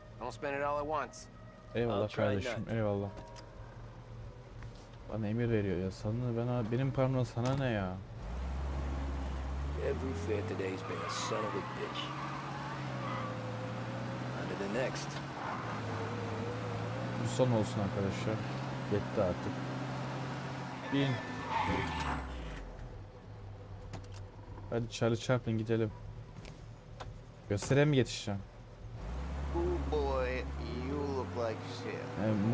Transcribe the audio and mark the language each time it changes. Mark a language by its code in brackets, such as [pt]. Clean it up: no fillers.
[en] Don't spend it all at once. [tr] Eyvallah kardeşim, eyvallah. Bana emir veriyor ya. Sana ben abi, benim paramla sana ne ya? [en] Every fare today's been a son of a bitch. On to the next. [tr] Bu son olsun arkadaşlar. Yetti artık. Bin. Hadi Charlie Chaplin gidelim. Göstereyim mi yetişeceğim? [en] Oh boy, you look like shit.